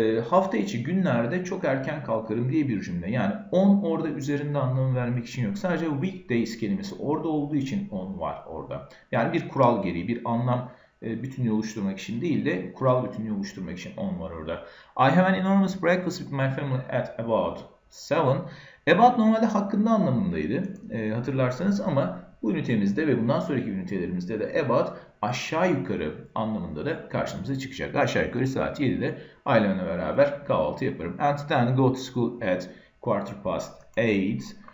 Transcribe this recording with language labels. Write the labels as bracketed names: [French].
[Turkish] Hafta içi günlerde çok erken kalkarım diye bir cümle. Yani on orada üzerinde anlamı vermek için yok. Sadece weekdays kelimesi orada olduğu için on var orada. Yani bir kural gereği, bir anlam bütünlüğü oluşturmak için değil de kural bütünlüğü oluşturmak için on var orada. [English] I have an enormous breakfast with my family at about 7. [Turkish] About normalde hakkında anlamındaydı hatırlarsanız ama bu ünitemizde ve bundan sonraki ünitelerimizde de about aşağı yukarı anlamında da karşımıza çıkacak. Aşağı yukarı saat 7'de ailemle beraber kahvaltı yaparım. [English] And then go to school at quarter past 8.